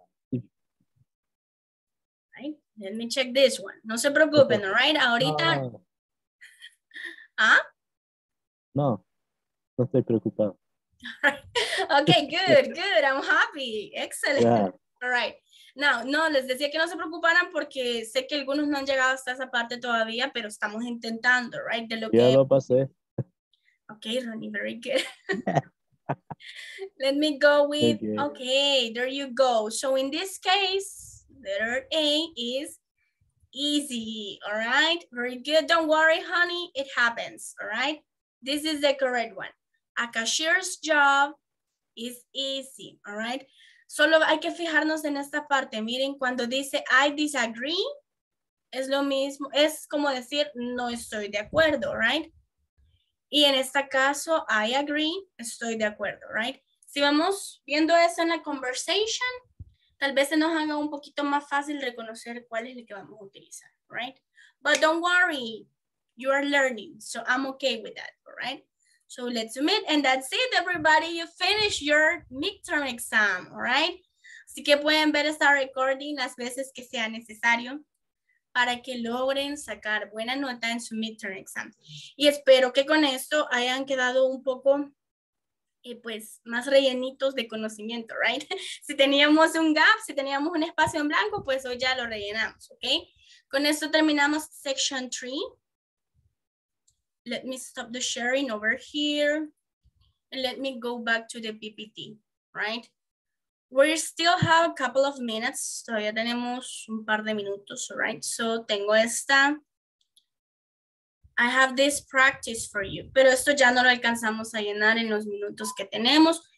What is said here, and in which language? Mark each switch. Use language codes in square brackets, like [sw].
[en] difficult. Right. Let me check this one. [es] No se preocupen. [en] All right. [es] Ahorita. [en] Ah. [es] No. No estoy preocupado. [en] All right. Okay. Good. Good. I'm happy. Excellent. Yeah. All right. [es] Now, no, les decía que no se preocuparan porque sé que algunos no han llegado hasta esa parte todavía, pero estamos intentando, [en] right? [es] De lo que... Ya lo pasé. [en] Okay, Ronnie, very good. Let me go with, okay, there you go. So in this case, letter A is easy, all right? Very good, don't worry, honey, it happens, all right? This is the correct one. A cashier's job is easy, all right? [es] Solo hay que fijarnos en esta parte. Miren, cuando dice [en] I disagree, [es] es lo mismo, es como decir no estoy de acuerdo, [en] right? [es] Y en este caso, [en] I agree, [es] estoy de acuerdo, [en] right? [es] Si vamos viendo eso en la conversation, tal vez se nos haga un poquito más fácil reconocer cuál es el que vamos a utilizar, [en] right? But don't worry, you are learning, so I'm okay with that, all right? So let's meet, and that's it, everybody. You finish your midterm exam, all right? [es] Así que pueden ver esta recording las veces que sea necesario para que logren sacar buena nota en su midterm exam. Y espero que con esto hayan quedado un poco, pues, más rellenitos de conocimiento, [en] right? [es] Si teníamos un gap, si teníamos un espacio en blanco, pues hoy ya lo rellenamos, [en] okay? [es] Con esto terminamos section 3. [en] Let me stop the sharing over here. And let me go back to the PPT, right? We still have a couple of minutes. [es] Todavía tenemos un par de minutos, [en] all right? So [es] tengo esta. [en] I have this practice for you. [es] Pero esto ya no lo alcanzamos a llenar en los minutos que tenemos.